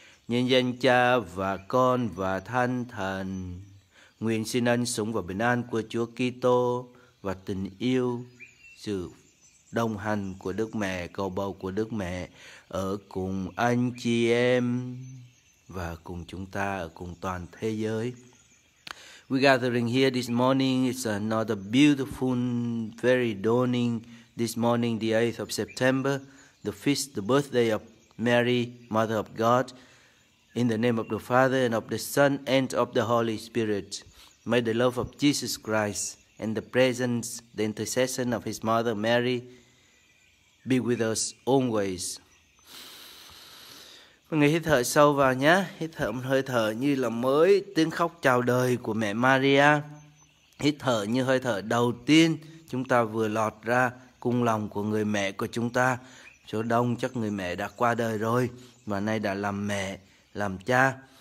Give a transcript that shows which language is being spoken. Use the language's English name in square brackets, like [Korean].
[Vietnamese] Nhân danh Cha và Con và Thánh Thần, nguyện xin ân sủng và bình an của Chúa Kitô và tình yêu, sự đồng hành của Đức Mẹ, cầu bầu của Đức Mẹ ở cùng anh chị em và cùng chúng ta, ở cùng toàn thế giới. [English] We gathering here this morning, it's another beautiful, very dawning this morning, the 8th of September, the feast, the birthday of Mary, Mother of God. In the name of the Father, and of the Son, and of the Holy Spirit, may the love of Jesus Christ and the presence, the intercession of His Mother Mary be with us always. [Vietnamese] Mọi người hít thở sâu vào nhé. Hít thở một hơi thở như là mới tiếng khóc chào đời của mẹ Maria. Hít thở như hơi thở đầu tiên chúng ta vừa lọt ra cung lòng của người mẹ của chúng ta. Số đông chắc người mẹ đã qua đời rồi, và nay đã làm mẹ, làm cha.